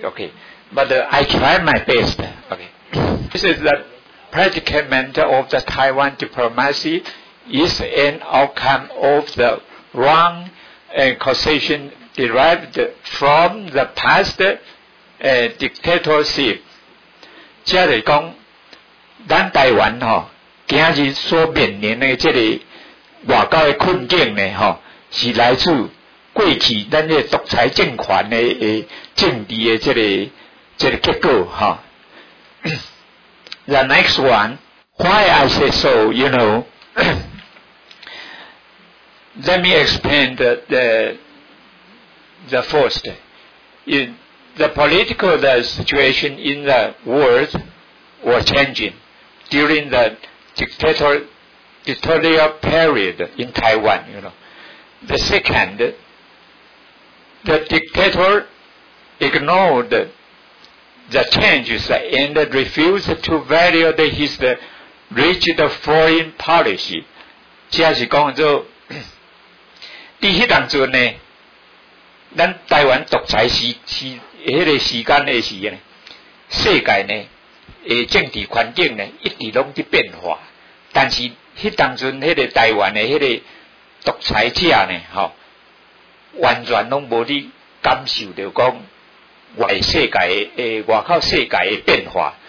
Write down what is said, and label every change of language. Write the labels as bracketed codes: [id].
[en] Okay, but I try my best. Okay, this is the predicament of the Taiwan diplomacy is an outcome of the wrong causation derived from the past dictatorship. [nan] 即系讲，咱台湾吼，今日所面临的即个外交的困境呢，吼，是来自过去咱这独裁政权的政治的即个结果哈。 [en] The next one, why I say so, you know? Let me explain the first. The political situation in the world. Were changing during the dictatorial period in Taiwan. You know, the second, the dictator ignored the changes and refused to value his rigid foreign policy. [nan] 就是讲就，第一当中呢，咱台湾独裁时迄个时间的时呢，世界呢。诶，政治环境呢，一直拢伫变化。但是，迄当阵迄个台湾的迄个独裁者呢，吼，完全拢无伫感受到讲外世界诶，外口世界诶变化。